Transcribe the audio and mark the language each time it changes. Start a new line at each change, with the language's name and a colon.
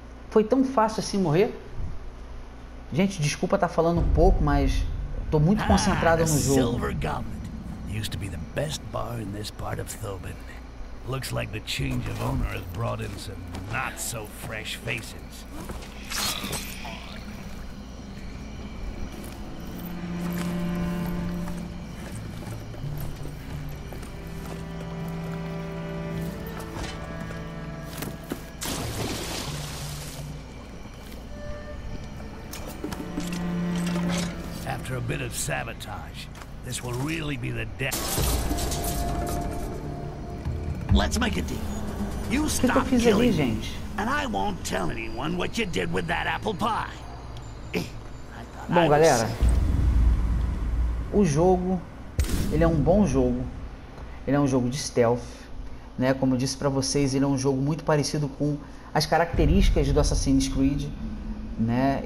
Portuguese: Foi tão fácil assim morrer? Gente, desculpa estar falando um pouco, mas tô muito concentrado no jogo.
English: Silver Goblin used to be the best bar in this part of Thoban. Looks like the change of owner has brought in some not so fresh faces. After a bit of sabotage, this will really be the death. Let's make a deal. You stop killing me, and I won't tell anyone what you did with that apple pie.
Portuguese: Bom, galera, o jogo, ele é um bom jogo. Ele é um jogo de stealth, né? Como eu disse para vocês, ele é um jogo muito parecido com as características do Assassin's Creed, né?